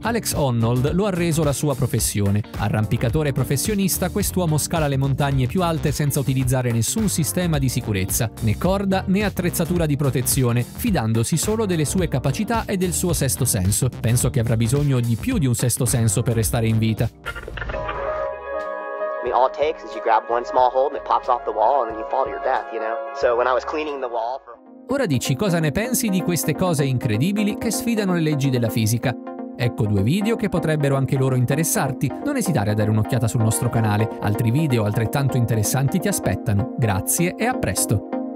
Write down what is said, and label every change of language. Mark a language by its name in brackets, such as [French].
[Italian] Alex Honnold lo ha reso la sua professione. Arrampicatore professionista, quest'uomo scala le montagne più alte senza utilizzare nessun sistema di sicurezza, né corda né attrezzatura di protezione, fidandosi solo delle sue capacità e del suo sesto senso. Penso che avrà bisogno di più di un sesto senso per restare in vita. [English] I mean, all it takes is you grab one small hold and it pops off the wall and then you fall to your death, you know? So when I was cleaning the wall... [Italian] Ora dici cosa ne pensi di queste cose incredibili che sfidano le leggi della fisica. Ecco due video che potrebbero anche loro interessarti. Non esitare a dare un'occhiata sul nostro canale. Altri video altrettanto interessanti ti aspettano. Grazie e a presto!